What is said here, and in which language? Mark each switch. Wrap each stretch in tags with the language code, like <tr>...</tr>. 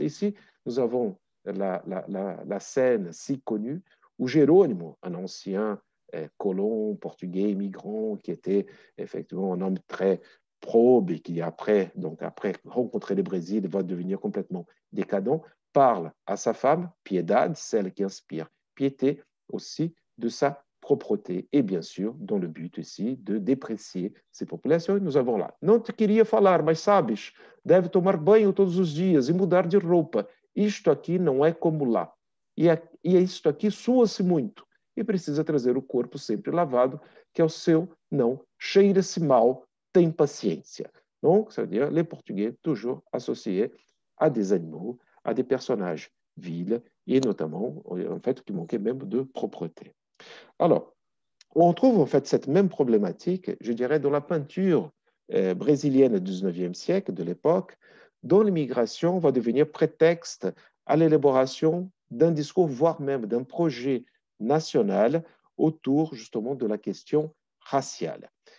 <fr>Ici, nous avons la scène si connue où Jerônimo, un ancien colon portugais immigrant qui était effectivement un homme très probe et qui après, donc après rencontrer le Brésil, va devenir complètement décadent, parle à sa femme, Piedade, celle qui inspire piété aussi de sa propreté et bien sûr dans le but aussi de déprécier ces populations que nous avons là.</fr> <pt>Não te queria falar, mas sabes, deve tomar banho todos os dias e mudar de roupa. Isto aqui não é como lá. E isto aqui sua-se muito e precisa trazer o corpo sempre lavado, que é o seu, não, cheira-se mal, tem paciência.</pt> <fr>Donc, ça veut dire les Portugais toujours associés à des animaux, à des personnages vils. Et notamment, en fait, qui manquait même de propreté. Alors, on trouve en fait cette même problématique, je dirais, dans la peinture brésilienne du XIXe siècle, de l'époque, dont l'immigration va devenir prétexte à l'élaboration d'un discours, voire même d'un projet national autour justement de la question raciale.</fr>